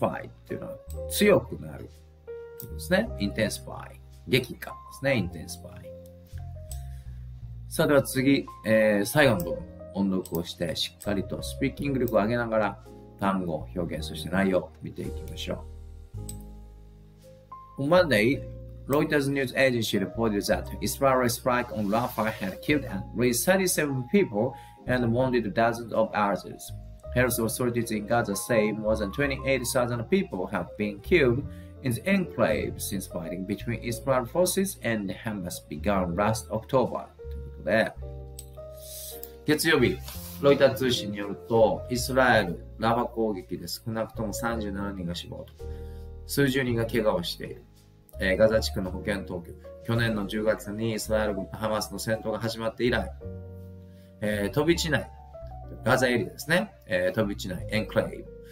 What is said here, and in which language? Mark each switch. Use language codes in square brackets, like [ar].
[ja] intensify というのは、強くなるということですね。 intensify、激化ですね。intensify。さあ、では次、最後の部分、音読をして、しっかりとスピーキング力を上げながら、単語、表現、そして内容を見ていきましょう。 [en] On Monday, Reuters News Agency reported that Israeli strike on Rafah had killed at least 37 people and wounded dozens of others. Health authorities in Gaza say more than 28,000 people have been killed in the enclave since fighting between Israeli forces and Hamas began last October. [ja] ということで、月曜日、ロイター通信によると、イスラエル、ラファ攻撃で少なくとも37人が死亡と、数十人が怪我をしている。ガザ地区の保健当局、去年の10月にイスラエル軍とハマスの戦闘が始まって以来、飛び地内、ガザエリアですね、飛び地内、エンクレイブ。